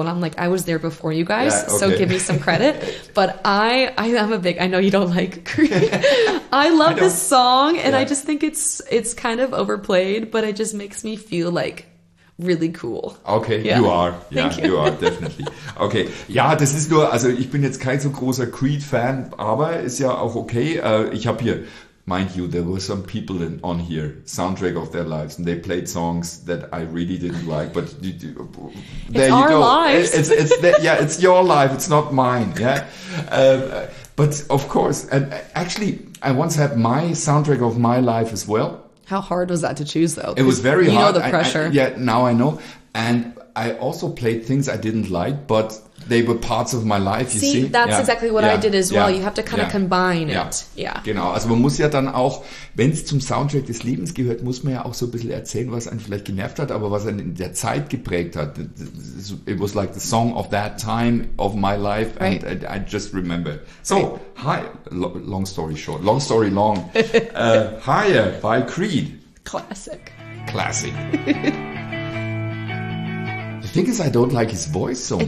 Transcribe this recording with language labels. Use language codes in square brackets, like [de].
[en] And I'm like, I was there before you guys. Yeah, okay. So give me some credit. But I know you don't like Creed. I love this song and I just think it's kind of overplayed, but it just makes me feel like really cool. Okay, yeah. You are. Yeah, you are, definitely. [de] Okay, ja, das ist nur, also ich bin jetzt kein so großer Creed-Fan, aber ist ja auch okay. Ich habe hier, [en] mind you, there were some people on here, soundtrack of their lives, and they played songs that I really didn't like, but there you go. It's our lives. It's your life, it's not mine, yeah. But of course, and actually, I once had my soundtrack of my life as well. How hard was that to choose, though? It was very you hard. You know the pressure. Now I know. And I also played things I didn't like, but they were parts of my life, you see? See, that's exactly what I did as well. You have to kind of combine it. Yeah. [de] Genau. Also man muss ja dann auch, wenn es zum Soundtrack des Lebens gehört, muss man ja auch so ein bisschen erzählen, was einen vielleicht genervt hat, aber was einen in der Zeit geprägt hat. [en] It was like the song of that time of my life. Right. And I just remember. So, Hi, long story short, long story long. Higher by Creed. Classic. Classic. The thing is, I don't like his voice so much.